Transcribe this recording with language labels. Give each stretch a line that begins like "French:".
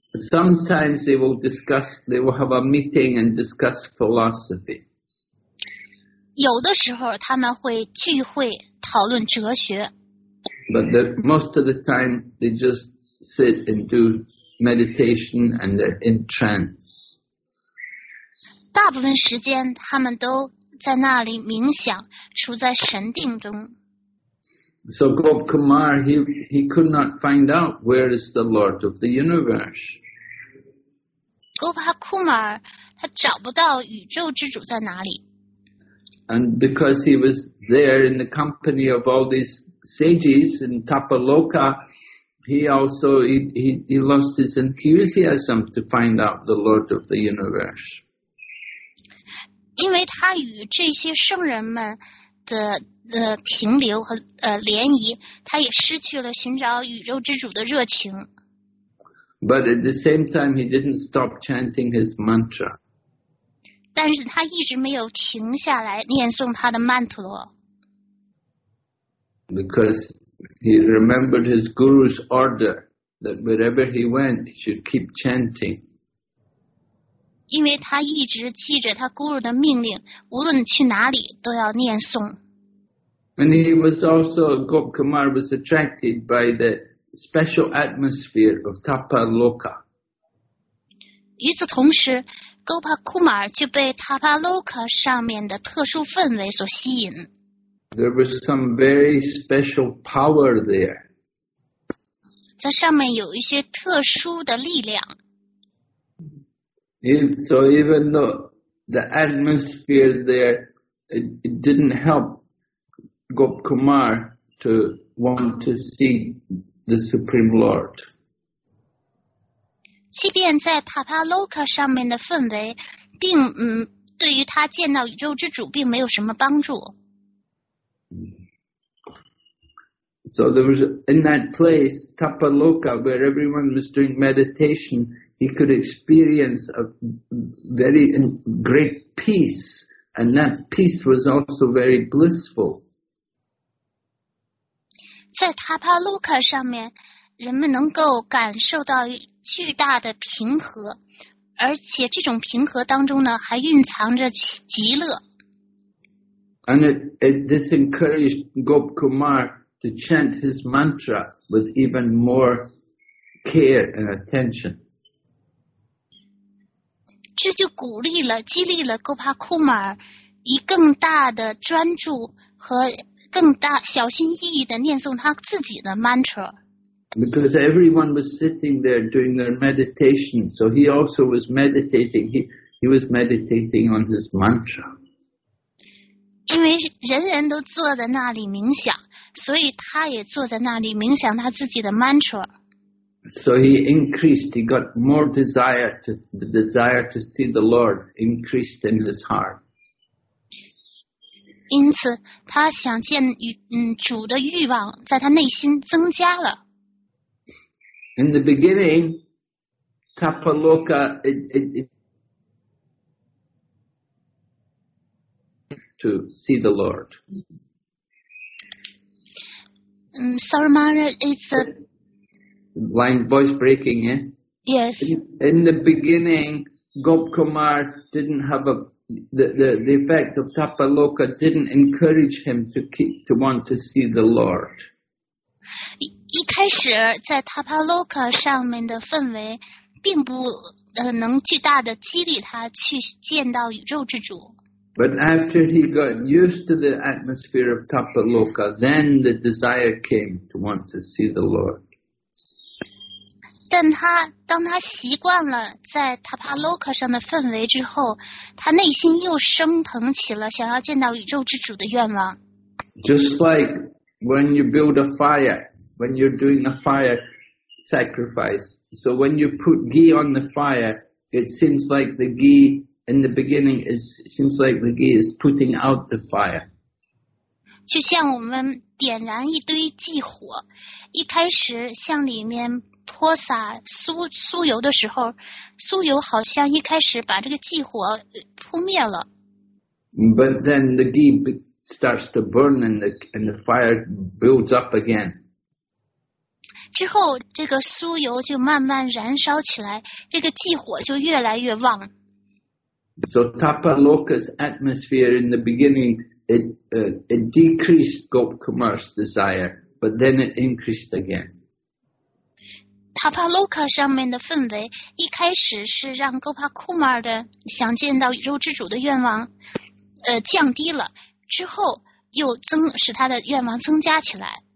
English: Sometimes they will discuss, they will have a meeting and discuss philosophy.
Chinese: 有的时候他们会聚会讨论哲学。
English: But the, most of the time they just sit and do meditation and they're in trance.
Chinese: 大部分时间他们都在那里冥想，处在神定中。
English: So Gop Kumar, he could not find out where is the Lord of the universe.
Chinese: Gopa Kumar, 他找不到宇宙之主在哪里。
English: And because he was there in the company of all these sages in Tapaloka, he lost his enthusiasm to find out the Lord of the universe.
Chinese: 因为他与这些圣人们的停留和联谊，他也失去了寻找宇宙之主的热情。
English: But at the same time, he didn't stop chanting his mantra.
Chinese: 但是他一直没有停下来念诵他的曼陀罗。
English: Because he remembered his guru's order that wherever he went, he should keep chanting.
Chinese: 因为他一直记着他 guru 的命令，无论去哪里都要念诵。
English: And he was also, Gop Kumar was attracted by the. Special atmosphere of Tapaloka.
Chinese: 与此同时 ，Gopa Kumar 就被 Tapaloka 上面的特殊氛围所吸引。
English: There was some very special power there.
Chinese: 在上面有一些特殊的力量。
English: So even though the atmosphere there, it didn't help Gop Kumar to want to see. The Supreme Lord.
Chinese: 即便在塔帕洛卡上面的氛围，并对于他见到宇宙之主并没有什么帮助。
English: So there was in that place, Tapaloka, where everyone was doing meditation, he could experience a very great peace, and that peace was also very blissful.
Chinese: 在塔帕洛卡上面，人们能够感受到巨大的平和，而且这种平和当中呢，还蕴藏着极乐。
English: And this encouraged Gop Kumar to chant his mantra with even more care and attention.
Chinese: 这就鼓励了、激励了 Gopa Kumar 以更大的专注和。更大小心翼翼地念诵他自己的 mantra
English: Because everyone was sitting there doing their meditation, so he also was meditating. He was meditating on his mantra.
Chinese: 因为人人都坐在那里冥想，所以他也坐在那里冥想他自己的 mantra。
English: So he increased. He got more desire to the desire to see the Lord increased in his heart. 因此，他想见主的欲望在他内心增加了。 In the beginning, Tapaloka, to see the Lord. Sorry, Maharaj, it's a... Line voice breaking, yeah? Yes. In the beginning, Gop Kumar didn't have a... The effect of Tapaloka didn't encourage him to want to see the Lord.
Chinese: 一开始在 Tapaloka 上面的氛围并不能巨大的激励他去见到宇宙之主。
English: But after he got used to the atmosphere of Tapaloka, then the desire came to want to see the Lord.
Chinese: 但他当他习惯了在 Tapaloka 上的氛围之后，他内心又升腾起了想要见到宇宙之主的愿望。
English: Just like when you build a fire, when you're doing a fire sacrifice. So when you put ghee on the fire, it seems like the ghee... In the beginning, it seems like the ghee is putting out the fire.
Chinese: 就像我们点燃一堆祭火，一开始向里面泼洒酥油的时候，酥油好像一开始把这个祭火扑灭了。
English: But then the ghee starts to burn and the fire builds up again.
Chinese: 之后这个酥油就慢慢燃烧起来，这个祭火就越来越旺。
English: So Tapaloka's atmosphere in the beginning, it decreased Gop Kumar's desire, but then it increased again.
Chinese: Tapaloka 上面的氛围一开始是让 Gopa Kumar 的想见到宇宙之主的愿望降低了，之后又使他的愿望增加起来。